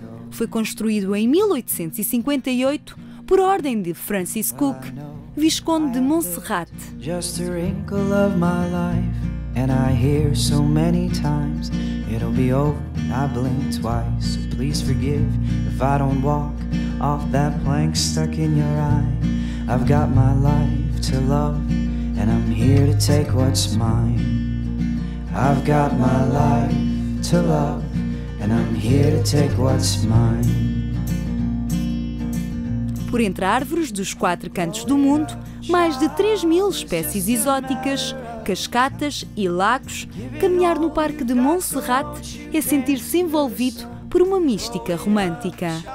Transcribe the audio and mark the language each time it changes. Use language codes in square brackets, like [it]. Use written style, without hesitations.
[pt] Foi construído em 1858 por ordem de Francis Cook, Visconde de Monserrate. [en] Just a wrinkle of my life, and I hear so many times it'll be over. I blink twice, so please forgive if I don't walk off that plank stuck in your eye. I've got my life to love, and I'm here to take what's mine. I've got my life to love, and I'm here to take what's mine. [pt] Por entre árvores dos quatro cantos do mundo, mais de 3 mil espécies exóticas, cascatas e lagos, caminhar no Parque de Montserrat é sentir-se envolvido por uma mística romântica.